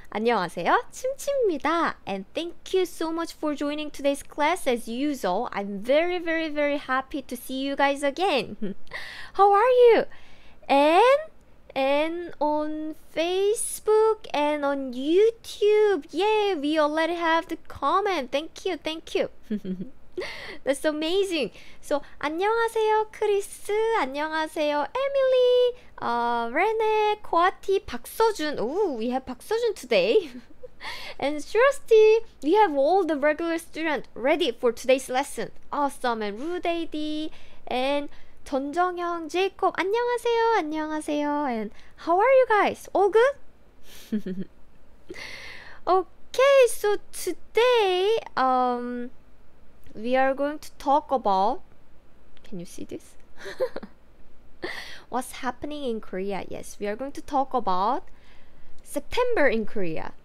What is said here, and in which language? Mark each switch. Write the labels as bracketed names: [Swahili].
[Korean] 안녕하세요, 침침입니다. [English] And thank you so much for joining today's class as usual. I'm very, very, very happy to see you guys again. How are you? And on Facebook and on YouTube. Yay, we already have the comment. Thank you, thank you. That's amazing. [Korean] So, 안녕하세요, 크리스. 안녕하세요, 에밀리. 레네, 코아티, 박서준. [English] Ooh, we have 박서준 today. And Shrusty, we have all the regular students ready for today's lesson. Awesome. And Rudeidi. [Korean] And 전정형, 제이콥, 안녕하세요, 안녕하세요. [English] And how are you guys? All good? Okay, so today, we are going to talk about... Can you see this? What's happening in Korea? Yes, we are going to talk about September in Korea.